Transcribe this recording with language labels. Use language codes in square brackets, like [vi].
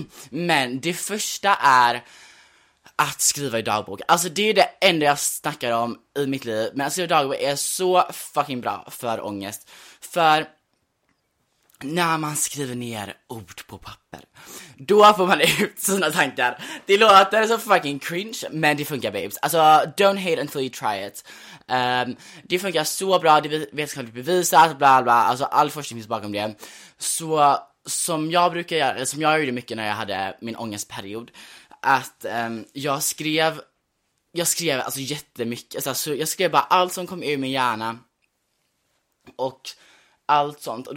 [sv] Men det första är att skriva i dagbok. Alltså det är det enda jag snackar om i mitt liv. Men att skriva i dagbok är så fucking bra för ångest. För när man skriver ner ord på papper, då får man ut sina tankar. Det låter så fucking cringe, men det funkar babes. Alltså [en] don't hate until you try it. [sv] Det funkar så bra. Det vetenskapligt bevisat, bla bla. Alltså all forskning finns bakom det. Så som jag brukar göra, som jag gjorde mycket när jag hade min ångestperiod, att jag skrev alltså jättemycket, alltså, så jag skrev bara allt som kom ur min hjärna och allt sånt.